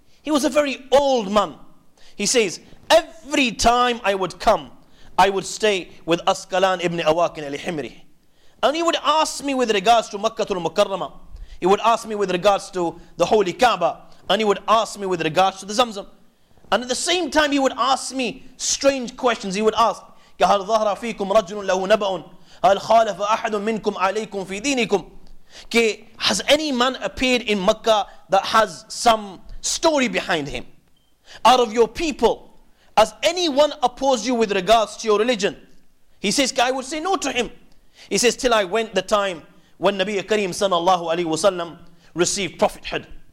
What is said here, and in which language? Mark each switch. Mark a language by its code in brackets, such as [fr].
[en] He was a very old man. He says, every time I would come, I would stay with Askalan ibn Awakin al-Himyari. And he would ask me with regards to Makkatul Mukarramah. He would ask me with regards to the Holy Kaaba. And he would ask me with regards to the Zamzam. And at the same time, he would ask me strange questions. He would ask, [ar] كَهَلْ ظَهْرَ فِيكُمْ رَجُلٌ لَهُ نَبَأٌ هَلْ خَالَفَ أَحَدٌ مِنْكُمْ عَلَيْكُمْ فِي دِينِكُمْ. [en] Has any man appeared in Makkah that has some story behind him? Out of your people, has anyone opposed you with regards to your religion? He says, I would say no to him. He says, till I went the time when Nabi Kareem sallallahu alayhi wa sallam received prophethood.